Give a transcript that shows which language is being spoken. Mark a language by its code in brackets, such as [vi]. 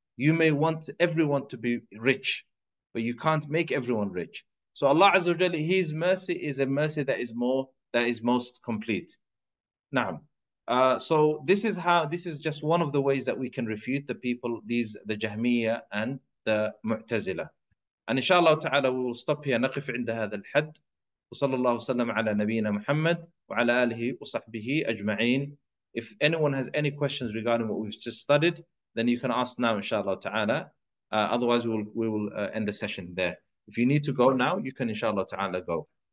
[en] You may want everyone to be rich, but you can't make everyone rich. So Allah Azza wa Jalla, His mercy is a mercy that is more, that is most complete. Naam. So this is how, this is just one of the ways that we can refute the people, these, the Jahmiya and the Mu'tazila. And inshallah ta'ala, we will stop here. [ar] نقف عند هذا الحد. وصلى الله وسلم على نبينا محمد وعلى آله وصحبه أجمعين. [en] If anyone has any questions regarding what we've just studied, then you can ask now, inshallah ta'ala. Otherwise, we will end the session there. If you need to go now, you can, inshallah ta'ala, go.